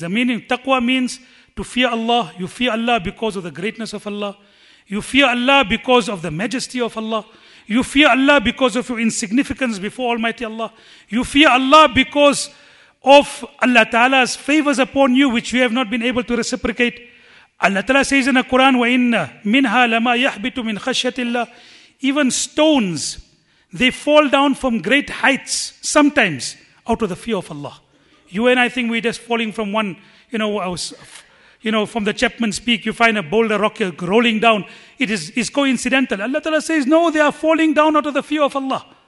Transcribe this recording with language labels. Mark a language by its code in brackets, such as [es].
[en] The meaning taqwa means to fear Allah. You fear Allah because of the greatness of Allah. You fear Allah because of the majesty of Allah. You fear Allah because of your insignificance before Almighty Allah. You fear Allah because of Allah Ta'ala's favors upon you, which you have not been able to reciprocate. [ar] Allah Ta'ala says in the Quran, وَإِنَّ مِنْهَا لَمَا يَحْبِتُ مِنْ خَشْيَةِ اللَّهِ. [en] Even stones, they fall down from great heights, sometimes out of the fear of Allah. You and I think we're just falling from one, from the Chapman's Peak, you find a boulder rock rolling down. It is coincidental. Allah Ta'ala says, no, they are falling down out of the fear of Allah.